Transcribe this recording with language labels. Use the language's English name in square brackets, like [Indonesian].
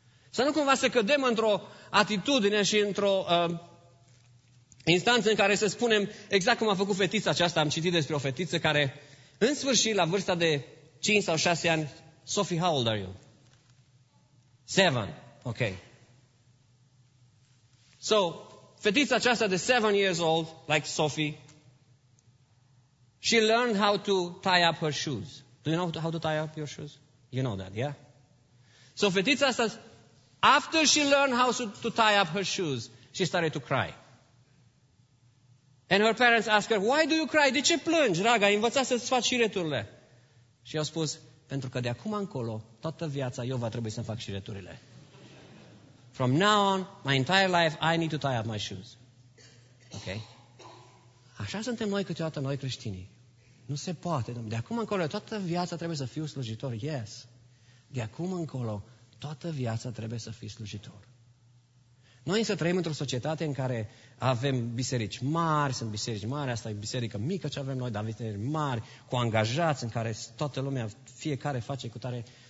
[Romanian] Să nu cumva să cădem într-o atitudine și într-o instanță în care să spunem exact cum a făcut fetița aceasta. Am citit despre o fetiță care, în sfârșit, la vârsta de 5 sau 6 ani, [English] Sophie, how old are you? 7. Ok. So, [Romanian] fetița aceasta de [English] 7 years old, like Sophie, she learned how to tie up her shoes. Do you know how to tie up your shoes? You know that, yeah? So, [Romanian] fetița asta, [English] after she learned how to tie up her shoes, she started to cry. And her parents asked her, why do you cry? [Romanian] De ce plângi, draga? Ai învățat să-ți faci șireturile. Și au spus, pentru că de acum încolo, toată viața, eu va trebui să-mi fac șireturile. [English] From now on, my entire life, I need to tie up my shoes. Ok? [Romanian] Așa suntem noi câteodată, noi creștinii. Nu se poate, Domnule. De acum încolo, toată viața trebuie să fiu slujitor. [English] Yes. [Romanian] De acum încolo, toată viața trebuie să fii slujitor. Noi însă trăim într-o societate în care avem biserici mari, sunt biserici mari, asta e biserică mică ce avem noi, dar biserici mari, cu angajați, în care toată lumea, fiecare face cu tare.